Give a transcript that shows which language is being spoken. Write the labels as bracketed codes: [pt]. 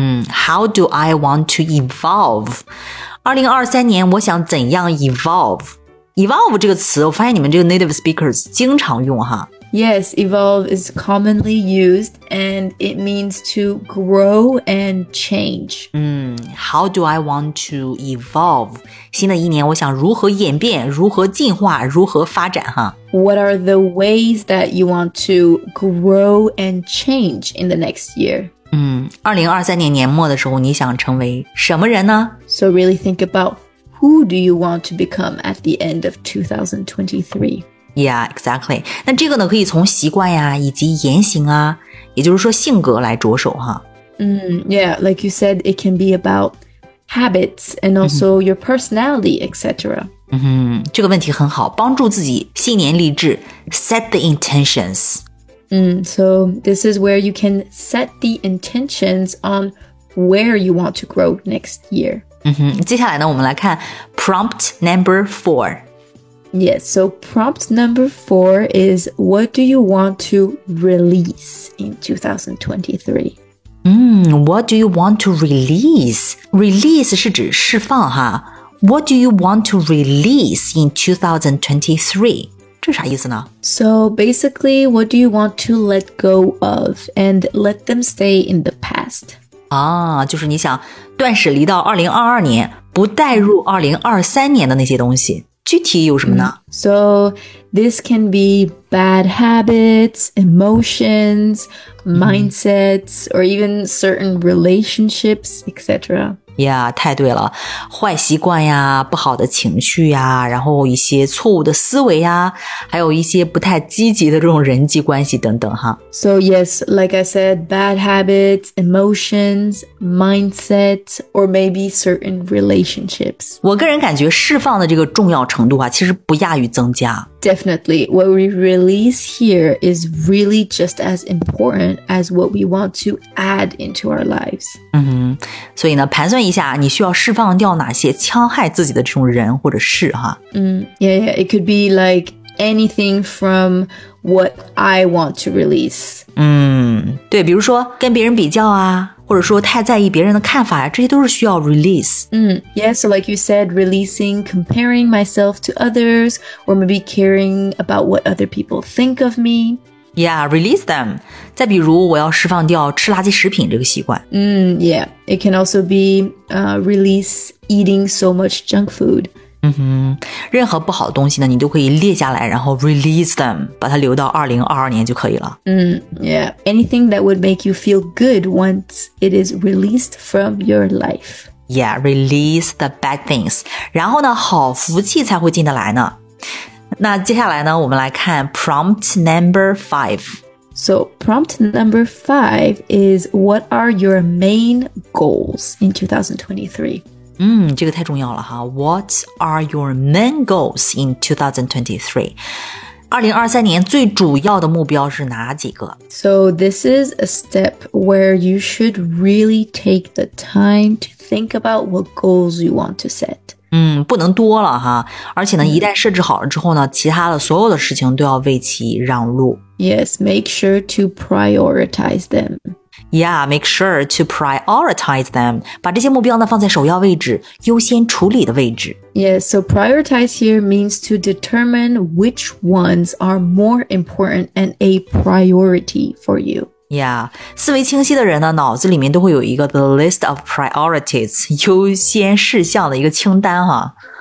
[en] How do I want to evolve? [zh] 2023年我想怎样 [en] evolve? [zh] Evolve 这个词我发现你们这个 [en] native speakers [zh] 经常用哈。 [en] Yes, evolve is commonly used and it means to grow and change. How do I want to evolve? [zh] 新的一年我想如何演变，如何进化，如何发展哈。 [en] What are the ways that you want to grow and change in the next year? [zh] 2023年年末的时候你想成为什么人呢 [en] So really think about who do you want to become at the end of 2023 Yeah, exactly [zh] 那这个呢可以从习惯呀以及言行啊也就是说性格来着手哈、 [en] Yeah, like you said, it can be about habits and also your personality, etc. [zh] 这个问题很好帮助自己新年立志 [en] set the intentions So this is where you can set the intentions on where you want to grow next year. [zh] 接下来呢我们来看 [en] prompt number four. Yes, so prompt number four is what do you want to release in 2023? What do you want to release? Release [zh] 是指释放哈。 [en] What do you want to release in 2023? [zh] 是啥意思呢 [en] So basically, what do you want to let go of and let them stay in the past? [zh] 就是你想断舍离到2022年不带入2023年的那些东西具体有什么呢 [en] So this can be bad habits, emotions, mindsets, or even certain relationships, etc. [zh] Yeah, 太对了，坏习惯呀，不好的情绪呀，然后一些错误的思维呀，还有一些不太积极的这种人际关系等等哈。 [en] So yes, like I said, bad habits, emotions, mindset, or maybe certain relationships. [zh] 我个人感觉释放的这个重要程度啊，其实不亚于增加。 [en] Definitely, what we release here is really just as important as what we want to add into our lives. [zh] 所以呢，盘算一下，你需要释放掉哪些戕害自己的这种人或者事哈。 [en] Yeah, it could be like anything from what I want to release. [zh] 对，比如说跟别人比较啊。或者说太在意别人的看法呀，这些都是需要 release. [en] Yeah, so like you said, releasing, comparing myself to others, or maybe caring about what other people think of me. Yeah, release them. [zh] 再比如我要释放掉吃垃圾食品这个习惯。 [en] Yeah, it can also be release eating so much junk food. [zh] 任何不好的东西呢，你都可以列下来，然后 [en] release them, [zh] 把它留到2022年就可以了。 [en] Yeah, anything that would make you feel good once it is released from your life. Yeah, release the bad things. [zh] 然后呢，好福气才会进得来呢。那接下来呢，我们来看 [en] prompt number five. So prompt number five is what are your main goals in 2023? [zh] 这个太重要了哈。 [en] What are your main goals in 2023? [zh] 2023年最主要的目标是哪几个？ [en] So this is a step where you should really take the time to think about what goals you want to set. [zh] 不能多了哈，而且呢，一旦设置好了之后呢，其他的所有的事情都要为其让路。 [en] Yes, make sure to prioritize them. Yeah, make sure to prioritize them. [zh] 把这些目标呢放在首要位置，优先处理的位置。 [en] Yes, so prioritize here means to determine which ones are more important and a priority for you. [zh] Yeah, 思维清晰的人呢脑子里面都会有一个 [en] the list of priorities, [zh] 优先事项的一个清单哈。